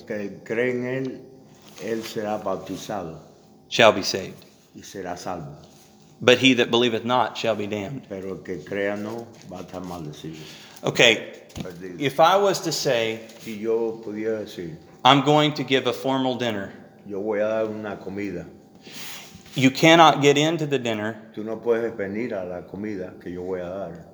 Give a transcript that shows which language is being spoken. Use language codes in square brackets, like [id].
[es] El que cree en él, él será bautizado. [en] Shall be saved. [es] Y será salvo. [en] But he that believeth not shall be damned. [es] Pero que crea no, va a estar maldecido. [en] Okay, if I was to say, [es] si yo pudiera decir, [en] I'm going to give a formal dinner. [es] Yo voy a dar una comida. [en] You cannot get into the dinner. [es] Tú no puedes venir a la comida que yo voy a dar.